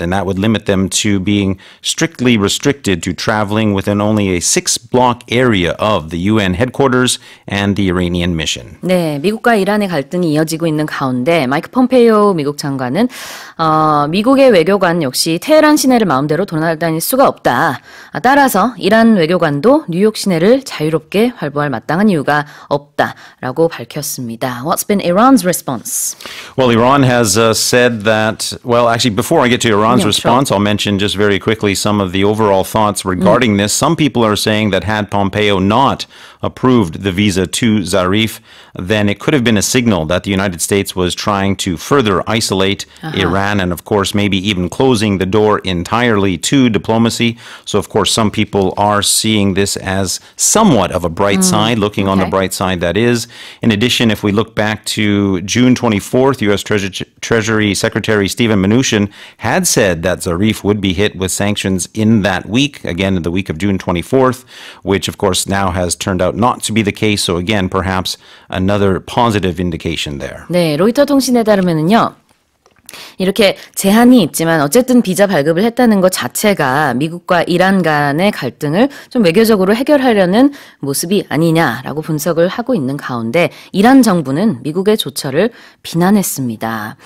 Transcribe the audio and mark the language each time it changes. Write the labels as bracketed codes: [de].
[en] And that would limit them to being strictly restricted to traveling within only a 6-block area of the UN headquarters and the Iranian mission. [ko] 네, 미국과 이란의 갈등이 이어지고 있는 가운데 마이크 폼페이오 미국 장관은 미국의 외교관 역시 테헤란 시내를 마음대로 돌아다닐 수가 없다. 따라서 이란 외교관도 뉴욕 시내를 자유롭게 활보할 마땅한 이유가 없다라고 밝혔습니다. [en] What's been Iran's response? Well, Iran has said that, well, actually, before I get to Iran's response, I'll mention just very quickly some of the overall thoughts regarding this. Some people are saying that had Pompeo not approved the visa to Zarif, then it could have been a signal that the United States was trying to further isolate Iran and, of course, maybe even closing the door entirely to diplomacy. So, of course, some people are seeing this as somewhat of a bright side, looking on the bright side, that is. In addition, if we look back to June 24th, U.S. Treasury Secretary Steven Mnuchin had said that Zarif would be hit with sanctions in that week, again, in the week of June 24th, which, of course, now has turned out not to be the case. So again, perhaps another positive indication there. [ko] 네, 로이터통신에 따르면은요. 이렇게 제한이 있지만 어쨌든 비자 발급을 했다는 것 자체가 미국과 이란 간의 갈등을 좀 외교적으로 해결하려는 모습이 아니냐라고 분석을 하고 있는 가운데 이란 정부는 미국의 조처를 비난했습니다.